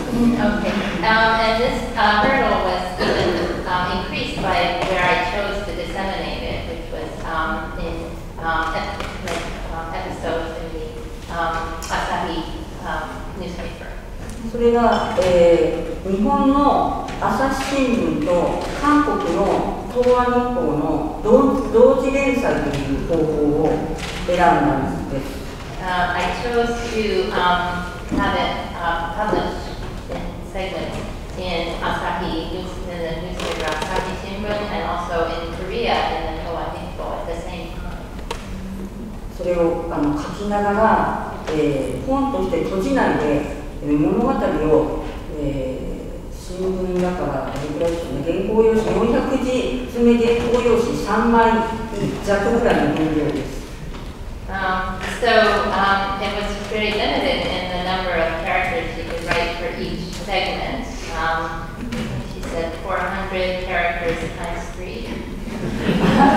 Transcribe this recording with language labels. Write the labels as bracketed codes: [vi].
[en] And this hurdle was even increased by where I chose to disseminate it, which was in episodes in the Asahi newspaper. [ja] それが、日本の朝日新聞と韓国の東亜日報の同時連載という方法を選んだんです。 [en] I chose to have it published in segments in Asahi, in the newspaper Asahi Shimbun, and also in Korea, in the Toa Nikko at the same time. [ja] それを書きながら、本として閉じないで、物語を、新聞だから、原稿用紙、400字詰め原稿用紙3枚弱ぐらいの分量です。 [en] It was pretty limited in the number of characters she could write for each segment. She said 400 characters times 3.